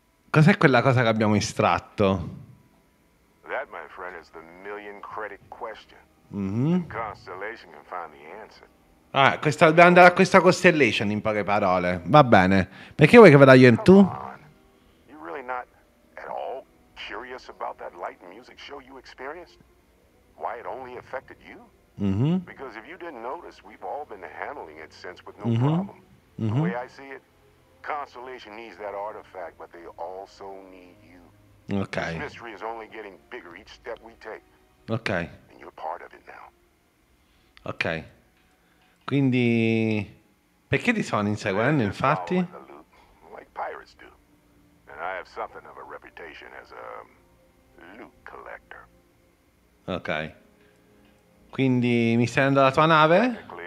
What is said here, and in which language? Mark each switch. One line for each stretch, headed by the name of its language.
Italian: Cos'è quella cosa che abbiamo estratto?
English: That, my friend, is the million credit question. Constellation can find the answer.
Italian: Ah, questa deve andare a questa Constellation, in poche parole. Va bene. Perché vuoi che vada io in tu?
English: You really not at all curious about that light and music show you experienced? Why it only affected you? Because if you didn't notice, we've all been handling it since with no problem. The way I see it, Constellation needs that artifact, but they also need you. Okay. This mystery is only getting bigger each step we take. Okay. And you're part of it now. Okay.
Italian: Quindi, perché ti stanno inseguendo, infatti?
English: Like pirates do. And I have something of a reputation as a loot collector. Okay.
Italian: Quindi mi stai dando la tua nave?